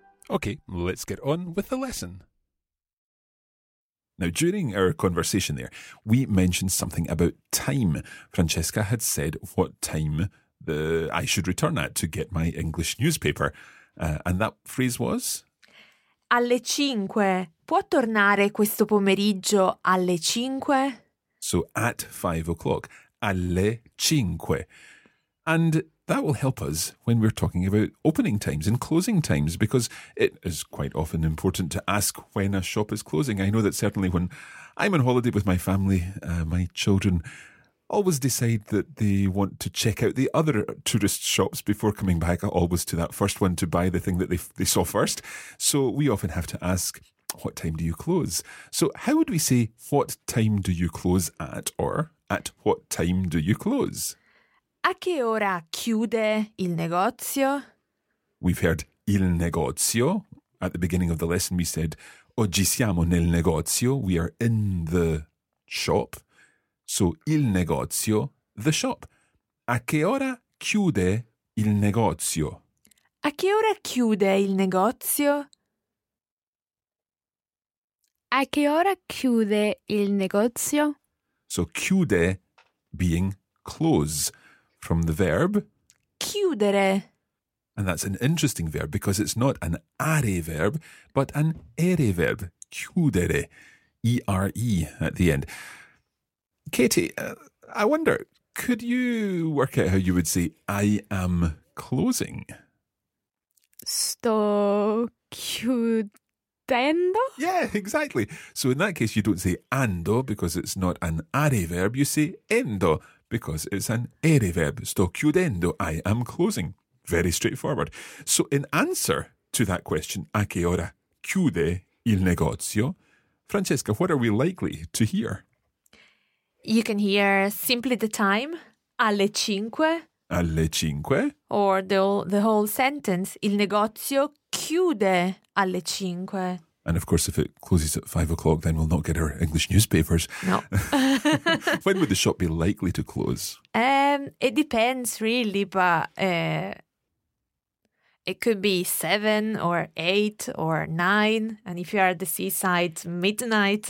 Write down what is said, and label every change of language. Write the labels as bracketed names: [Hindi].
[English] Okay, let's get on with the lesson. Now, during our conversation there, we mentioned something about time. Francesca had said what time I should return at to get my English newspaper. And that phrase was? [Italian] Alle cinque. Può tornare questo pomeriggio alle cinque? [English] So at 5 o'clock. [Italian] Alle cinque. [English] And that will help us when we're talking about opening times and closing times, because it is quite often important to ask when a shop is closing. I know that certainly when I'm on holiday with my family, my children always decide that they want to check out the other tourist shops before coming back, always to that first one to buy the thing that they saw first. So we often have to ask, what time do you close? So how would we say, what time do you close at, or at what time do you close? [Italian] A che ora chiude il negozio? [English] We've heard [Italian] il negozio. [English] At the beginning of the lesson, we said, [Italian] oggi siamo nel negozio. [English] We are in the shop. So, [Italian] il negozio, [English] the shop. [Italian] A che ora chiude il negozio? A che ora chiude il negozio? A che ora chiude il negozio? [English] So, chiude being close from the verb. [Italian] Chiudere. [English] And that's an interesting verb because it's not an are verb, but an ere verb. Chiudere. E-R-E at the end. Katie, I wonder, could you work out how you would say I am closing? [Italian] Sto chiudendo? [English] Yeah, exactly. So in that case, you don't say ando because it's not an are verb. You say endo because it's an ere verb. Sto chiudendo. I am closing. Very straightforward. So in answer to that question, [Italian] a che ora chiude il negozio? [English] Francesca, what are we likely to hear? You can hear simply the time, [Italian] alle cinque. Alle cinque. [English] Or the whole sentence, [Italian] il negozio chiude alle cinque. [English] And of course, if it closes at 5 o'clock, then we'll not get our English newspapers. No. When would the shop be likely to close? It depends really, but it could be 7 or 8 or 9. And if you are at the seaside, midnight.